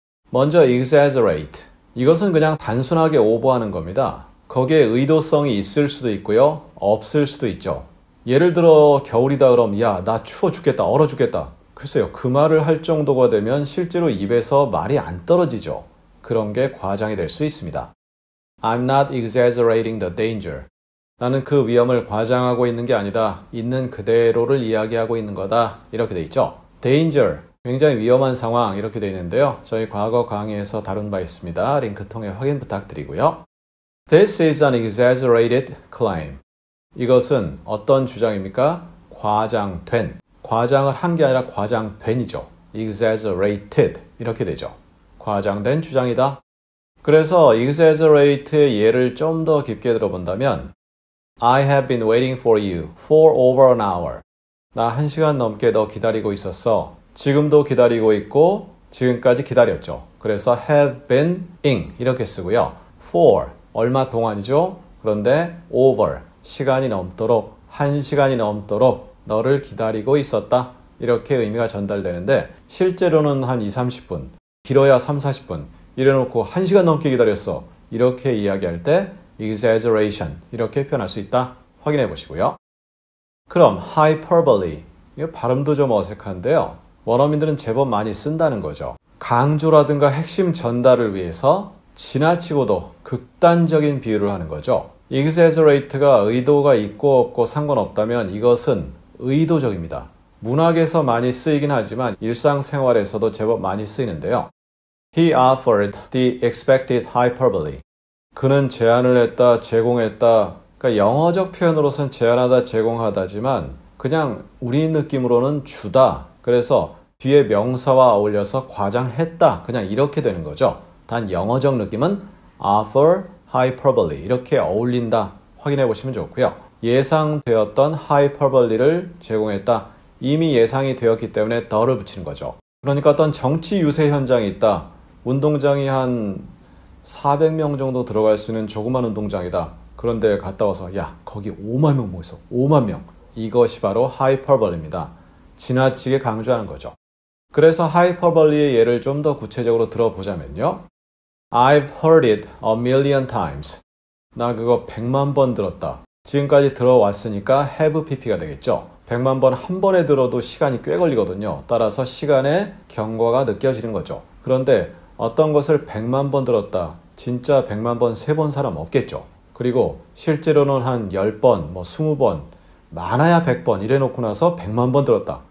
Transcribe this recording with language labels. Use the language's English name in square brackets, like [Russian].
[Korean] 먼저 exaggerate. 이것은 그냥 단순하게 오버하는 겁니다. 거기에 의도성이 있을 수도 있고요. 없을 수도 있죠. 예를 들어 겨울이다 그럼 야, 나 추워 죽겠다, 얼어 죽겠다. 글쎄요, 그 말을 할 정도가 되면 실제로 입에서 말이 안 떨어지죠. 그런 게 과장이 될 수 있습니다. [English] I'm not exaggerating the danger. [Korean] 나는 그 위험을 과장하고 있는 게 아니다. 있는 그대로를 이야기하고 있는 거다. 이렇게 돼 있죠. Danger, 굉장히 위험한 상황 이렇게 돼 있는데요. 저희 과거 강의에서 다룬 바 있습니다. 링크 통해 확인 부탁드리고요. [English] This is an exaggerated claim. [Korean] 이것은 어떤 주장입니까? 과장된. 과장을 한 게 아니라 과장된이죠. Exaggerated 이렇게 되죠. 과장된 주장이다. 그래서 exaggerate의 예를 좀 더 깊게 들어본다면 [English] I have been waiting for you for over an hour. [Korean] 나 한 시간 넘게 너 기다리고 있었어. 지금도 기다리고 있고 지금까지 기다렸죠. 그래서 have been ing 이렇게 쓰고요. For 얼마 동안이죠? 그런데 over 시간이 넘도록 한 시간이 넘도록 너를 기다리고 있었다. 이렇게 의미가 전달되는데 실제로는 한 2, 30분 길어야 3, 40분 이래놓고 1시간 넘게 기다렸어. 이렇게 이야기할 때 exaggeration 이렇게 표현할 수 있다. 확인해 보시고요. 그럼 hyperbole. 이거 발음도 좀 어색한데요. 원어민들은 제법 많이 쓴다는 거죠. 강조라든가 핵심 전달을 위해서 지나치고도 극단적인 비유를 하는 거죠. exaggerate가 의도가 있고 없고 상관없다면 이것은 의도적입니다. 문학에서 많이 쓰이긴 하지만 일상생활에서도 제법 많이 쓰이는데요. [English] He offered the expected hyperbole. [Korean] 그는 제안을 했다, 제공했다. 그러니까 영어적 표현으로서는 제안하다, 제공하다지만 그냥 우리 느낌으로는 주다. 그래서 뒤에 명사와 어울려서 과장했다. 그냥 이렇게 되는 거죠. 단 영어적 느낌은 offer hyperbole 이렇게 어울린다. 확인해 보시면 좋고요. 예상되었던 hyperbole를 제공했다. 이미 예상이 되었기 때문에 더를 붙이는 거죠. 그러니까 어떤 정치 유세 현장이 있다. 운동장이 한 400명 정도 들어갈 수 있는 조그만 운동장이다. 그런데 갔다 와서 야, 거기 5만 명 모였어. 5만 명. 이것이 바로 hyperbole입니다. 지나치게 강조하는 거죠. 그래서 hyperbole의 예를 좀 더 구체적으로 들어보자면요. [English] I've heard it a million times. [Korean] 나 그거 100만 번 들었다. 지금까지 들어왔으니까 have pp가 되겠죠. 100만 번 한 번에 들어도 시간이 꽤 걸리거든요. 따라서 시간의 경과가 느껴지는 거죠. 그런데 어떤 것을 100만 번 들었다. 진짜 100만 번 세 번 사람 없겠죠. 그리고 실제로는 한 10번, 뭐 20번, 많아야 100번 이래놓고 나서 100만 번 들었다.